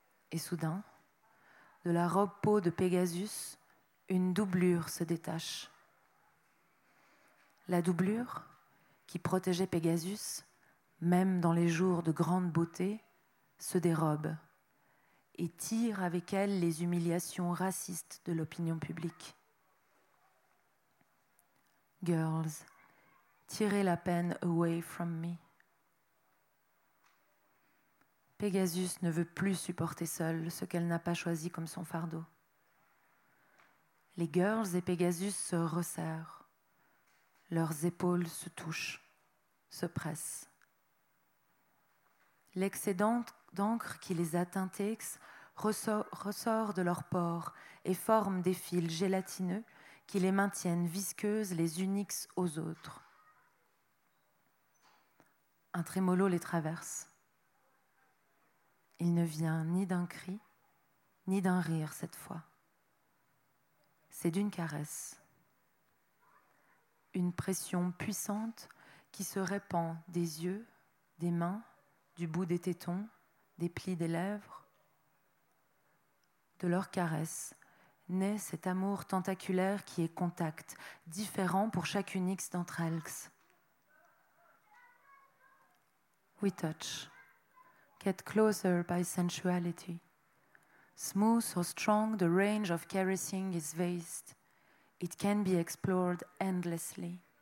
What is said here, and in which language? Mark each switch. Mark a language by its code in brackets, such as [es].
[fr] Et soudain, de la robe peau de Pegasus, une doublure se détache. La doublure, qui protégeait Pegasus, même dans les jours de grande beauté, se dérobe et tire avec elle les humiliations racistes de l'opinion publique. Girls, tirez la peine [en] away from me. [fr] Pegasus ne veut plus supporter seule ce qu'elle n'a pas choisi comme son fardeau. Les girls et Pegasus se resserrent. Leurs épaules se touchent, se pressent. L'excédent d'encre qui les a teintées ressort de leurs pores et forme des fils gélatineux qui les maintiennent visqueuses les uniques aux autres. Un trémolo les traverse. Il ne vient ni d'un cri, ni d'un rire cette fois. C'est d'une caresse. Une pression puissante qui se répand des yeux, des mains, du bout des tétons, des plis des lèvres. De leur caresse naît cet amour tentaculaire qui est contact, différent pour chacune X d'entre elles. [en] We touch. Get closer by sensuality. Smooth or strong, the range of caressing is vast. It can be explored endlessly.